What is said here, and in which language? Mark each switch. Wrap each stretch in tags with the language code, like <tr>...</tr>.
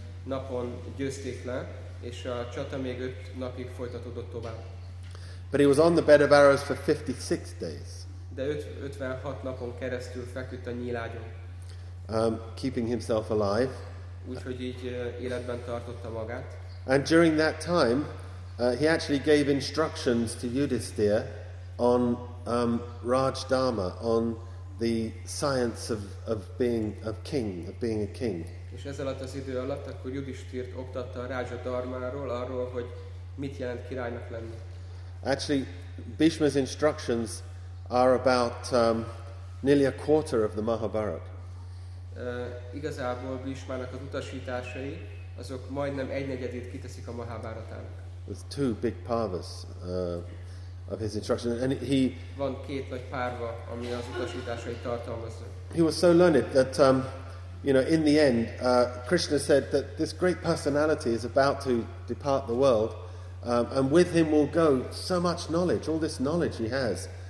<hu>napon győzték le, és a csata még 5 napig folytatódott tovább.</hu> <en>But he was on the bed of arrows for 56 days.</en> <hu>De 56 napon keresztül feküdt a nyílágyon.</hu> <en>Keeping himself alive.</en> <hu>Úgyhogy így életben tartotta magát.</hu> <en>And during that time, he actually gave instructions to Yudhisthira on Raj Dharma, on the science of being a king.</en> <hu>És ez alatt az idő alatt, akkor Yudhisthirt oktatta a Rázsa Dharmáról, arról, hogy mit jelent királynak lenni.</hu> <en>Actually, Bhishma's instructions are about nearly a quarter of the Mahabharata.</en> <hu>Igazából Bhishmának az utasításai azok majdnem egynegyedét kiteszik a Mahabharatának.</hu> <en>There's two big parvas of his instruction, and he</en> <hu>van két nagy párva, ami az utasításai tartalmazza.</hu> <en>He was so learned that in the end Krishna said that this great personality is about to depart the world, and with him will go so much knowledge, all this knowledge he has.</en>